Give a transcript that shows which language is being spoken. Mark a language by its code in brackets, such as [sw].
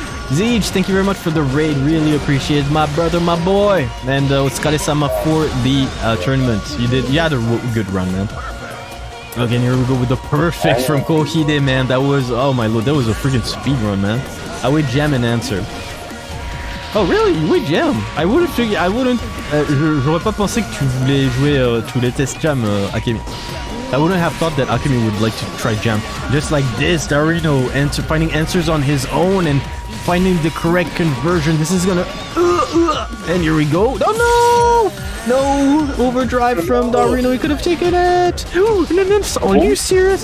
[en] Zij, thank you very much for the raid. Really appreciate it, my brother, my boy. And otsukare-sama for the tournament. You had a good run, man. Okay, here we go with the perfect from Kouhide, man. That was, oh my lord, that was a freaking speed run, man. I would jam an answer. Oh, really? You would jam? [fr] J'aurais pas pensé que tu voulais jouer tous les tests jam, Akemi. [en] I wouldn't have thought that Akemi would like to try jam. Just like this, Darino finding answers on his own and finding the correct conversion. This is gonna... and here we go. Oh, no! No! Overdrive from Darino. He could have taken it. Are you serious?